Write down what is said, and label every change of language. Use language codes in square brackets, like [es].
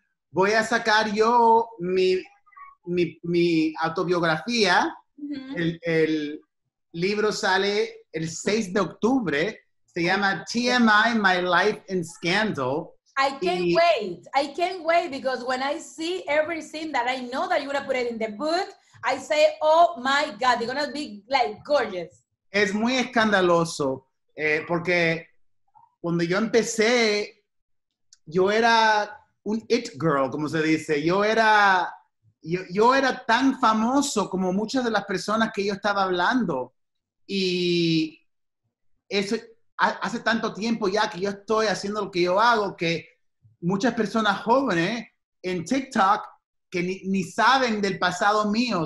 [es] Voy a sacar yo mi autobiografía. El libro sale el 6 de octubre. Se llama TMI, My Life in Scandal. [en] I can't wait, because when I see everything that I know that you're going to put it in the book, I say, oh my God, they're going to be like gorgeous. [es] Es muy escandaloso, porque cuando yo empecé, yo era un it girl, como se dice. Yo era tan famoso como muchas de las personas que yo estaba hablando. Y eso hace tanto tiempo ya que yo estoy haciendo lo que yo hago, que muchas personas jóvenes en TikTok que ni saben del pasado mío.